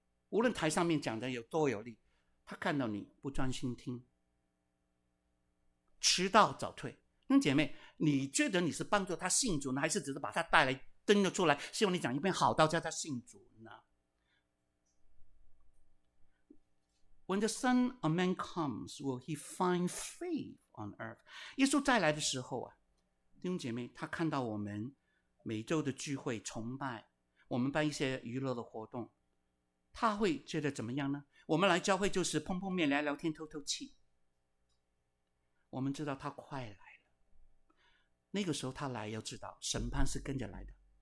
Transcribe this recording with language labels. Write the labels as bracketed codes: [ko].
[zh] 无论台上面讲的有多有力，他看到你不专心听，迟到早退。那姐妹，你觉得你是帮助他信主呢，还是只是把他带来登了出来，希望你讲一遍好道叫他信主？ [en] When the Son of Man comes, will he find faith on earth? [zh] 耶稣再来的时候啊，弟兄姐妹，他看到我们每周的聚会崇拜，我们办一些娱乐的活动，他会觉得怎么样呢？我们来教会就是碰碰面聊聊天透透气。我们知道他快来了，那个时候他来要知道审判是跟着来的。